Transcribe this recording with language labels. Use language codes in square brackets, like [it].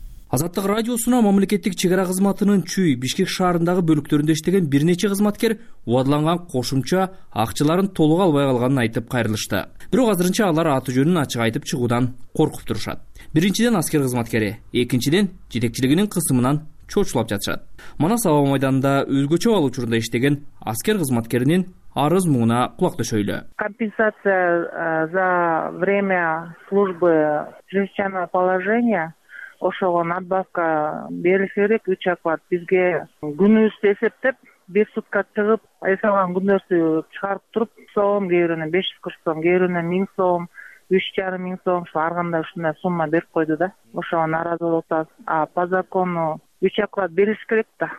[ky] Азаттык радиосуна мамлекеттик чек ара кызматынын Чүй, Бишкек шаарындагы бөлүктөрүндө иштеген бир нече кызматкер убадаланган кошумча акчаларын толук албай калганын айтып кайрылышты. Бирок азырынча алар аты жөнүн ачык айтып чыгуудан коркуп турушат. Биринчиден аскер кызматкери, экинчиден жетекчилигинин кысымынан чочулап жатышат. Манас аба майданында өзгөчө абал учурунда иштеген аскер кызматкеринин арыз муңуна кулак төшөйлү. [ru] Компенсация за время службы чрезвычайного положения. [ky] Ошого надбавка берилиш керек 3 оклад. Бизге күнүбүздү эсептеп 1 сутка чыгып эсалган күндөрдү чыгарып туруп сом, кээ бирөөнө 540 сом, кээ бирөөнө 1000 сом, 3,500 сом, ушу ар кандай ушундай сумма берип койду да. Ошого нааразы болуп атабыз. [ru] А по закону [ky] 3 оклад берилиш керек да.